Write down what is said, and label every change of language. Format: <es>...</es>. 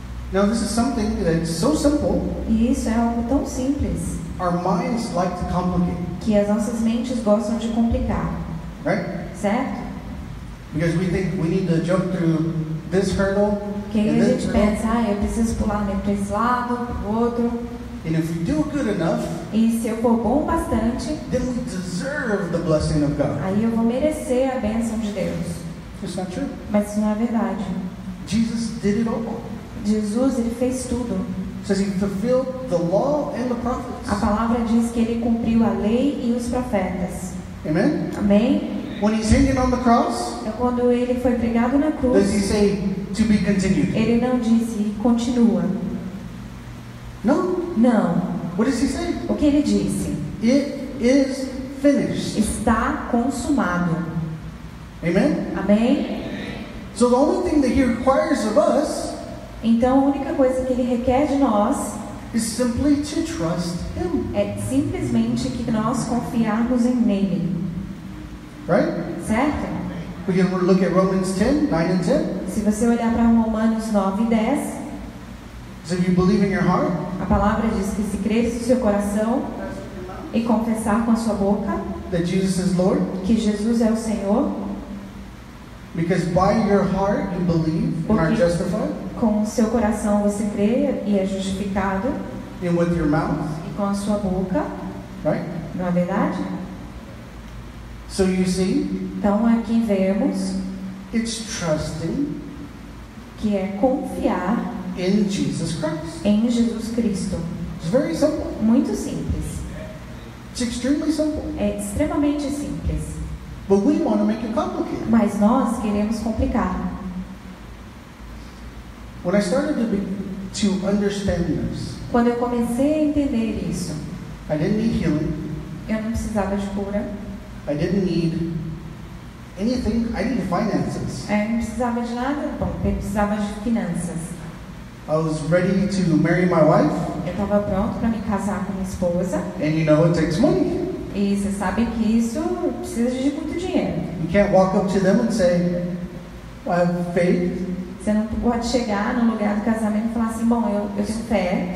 <en>Now this is something that is so simple.</en> <pt>E isso é algo tão simples.</pt> <en>Our minds like to complicate.</en> <pt>Que as nossas mentes gostam de complicar.</pt> <en>Right?</en> <pt>Certo?</pt> <en>Because we think we need to jump through this hurdle.</en> <pt>Que a gente pensa, ah, eu preciso pular para esse lado, para o outro.</pt> <en>And if we do good enough,</en> <pt>e se eu for bom bastante,</pt> <en>then we deserve the blessing of God.</en> <pt>Aí eu vou merecer a bênção de Deus.</pt> <en>It's not true.</en> <pt>Mas isso não é verdade.</pt> <en>Jesus did it all.</en> <pt>Jesus, ele fez tudo.</pt> <en>Says he fulfilled the law and the prophets.</en> <pt>A palavra diz que ele cumpriu a lei e os profetas.</pt> <en>Amen?</en> <pt>Amém.</pt> <en>When he's hanging on the cross,</en> <pt>é quando ele foi pregado na cruz.</pt> <en>Does he say to be continued?</en> <pt>Ele não disse continua.</pt> <en>No.</en> <pt>Não.</pt> <en>What does he say?</en> <pt>O que ele disse?</pt> <en>It is finished.</en> <pt>Está consumado.</pt> <en>Amen?</en> <pt>Amém.</pt> <en>So the only thing that he requires of us,</en> <pt>então a única coisa que ele requer de nós,</pt> <en>is simply to trust him.</en> <pt>É simplesmente que nós confiarmos em nele.</pt> <en>Right?</en> <pt>Certo?</pt> <en>We can look at Romans 10, 9 and 10.</en> <pt>Se você olhar para Romanos 9 e 10,</pt> <en>so if you believe in your heart,</en> <pt>a palavra diz que se creres no seu coração e confessar com a sua boca</pt> <en>that Jesus is Lord,</en> <pt>que Jesus é o Senhor,</pt> <en>because by your heart you believe and are justified,</en> <pt>com o seu coração você crê e é justificado,</pt> <en>and with your mouth,</en> <pt>e com a sua boca,</pt> <en>right?</en> <pt>Não é verdade?</pt> <en>So you see,</en> <pt>então aqui vemos,</pt> <en>it's trusting,</en> <pt>que é confiar</pt> <en>in Jesus Christ.</en> <pt>Em Jesus Cristo.</pt> <en>It's very simple.</en> <pt>Muito simples.</pt> <en>It's extremely simple.</en> <pt>É extremamente simples.</pt> <en>But we want to make it complicated.</en> <pt>Mas nós queremos complicar.</pt> <en>When I started to understand this,</en> <pt>quando eu comecei a entender isso,</pt> <en>I didn't need healing.</en> <pt>Eu não precisava de cura.</pt> <en>I didn't need anything. I needed finances.</en> <pt>Eu não precisava de nada. Bom, eu precisava de finanças.</pt> <en>I was ready to marry my wife.</en> <pt>Eu estava pronto para me casar com minha esposa.</pt> <en>And you know it takes money.</en> <pt>E você sabe que isso precisa de muito dinheiro.</pt> <en>You can't walk up to them and say, I have faith.</en> <pt>Você não pode chegar no lugar do casamento e falar assim, bom, eu tenho fé.</pt>